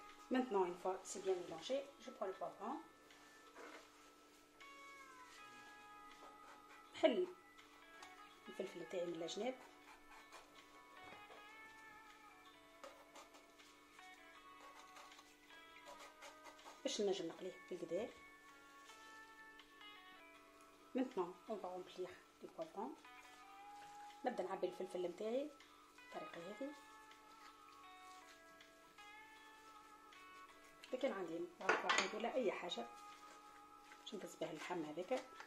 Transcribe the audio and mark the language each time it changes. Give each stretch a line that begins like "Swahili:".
French: maintenant une fois c'est bien mélangé je prends le poivron.
Arabic: نحل الفلفل تاعي من الجناب باش نجم نقليه بالكدا.
French: maintenant on va remplir les poivrons.
Arabic: نبدا نعبي الفلفل نتاعي بالطريقه هذه. اذا كان عندي فلفل ولا اي حاجه باش نضيف به اللحم هذاك.